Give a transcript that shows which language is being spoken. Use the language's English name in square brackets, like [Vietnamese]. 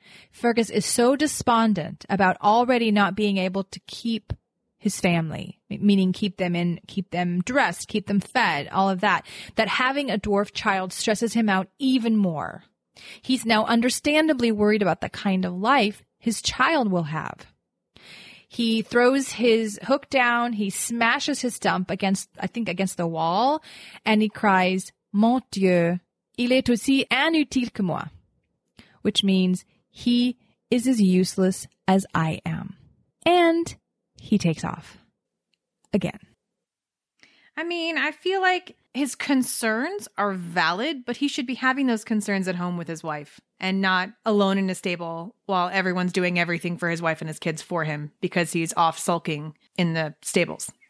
[English] Fergus is so despondent about already not being able to keep his family, meaning keep them dressed, keep them fed, all of that, that having a dwarf child stresses him out even more. He's now understandably worried about the kind of life his child will have. He throws his hook down. He smashes his stump against the wall. And he cries, [French] Mon Dieu, il est aussi inutile que moi. [English] Which means he is as useless as I am. And he takes off again. I mean, I feel like his concerns are valid, but he should be having those concerns at home with his wife and not alone in a stable while everyone's doing everything for his wife and his kids for him because he's off sulking in the stables.